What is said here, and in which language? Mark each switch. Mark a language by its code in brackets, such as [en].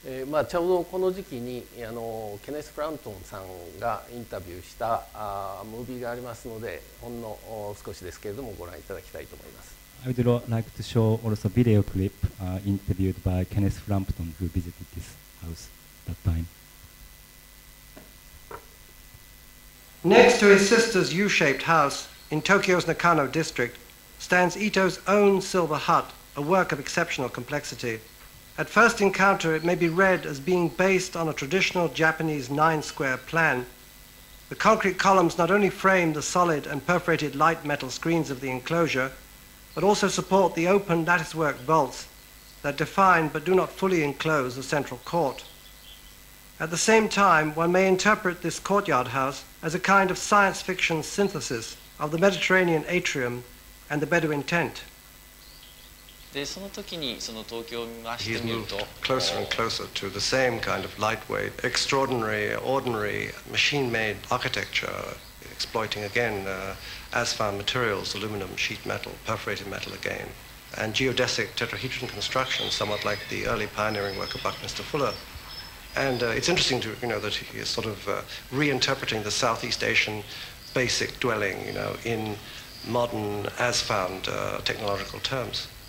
[ja] まあ、ちょうどこの時期にあのケネス・クラントンさんがインタビューしたムービーがありますのでほんの少しですけれどもご覧いただきたいと思います。 [en] I would like to show also video clip interviewed by Kenneth Frampton who visited this house that time. Next to his sister's U-shaped house in Tokyo's Nakano district stands Ito's own silver hut, a work of exceptional complexity. At first encounter, it may be read as being based on a traditional Japanese nine-square plan. The concrete columns not only frame the solid and perforated light metal screens of the enclosure, but also support the open latticework vaults that define but do not fully enclose the central court. At the same time, one may interpret this courtyard house as a kind of science fiction synthesis of the Mediterranean atrium and the Bedouin tent. [ja] でその時にその東京を見ましてみると [en] closer and closer to the same kind of lightweight extraordinary ordinary machine made architecture exploiting again asphalt materials aluminum sheet metal perforated metal again and geodesic tetrahedron construction somewhat like the early pioneering work of Buckminster Fuller and it's interesting to you know that he is sort of reinterpreting the Southeast Asian basic dwelling you know in modern asphalt technological terms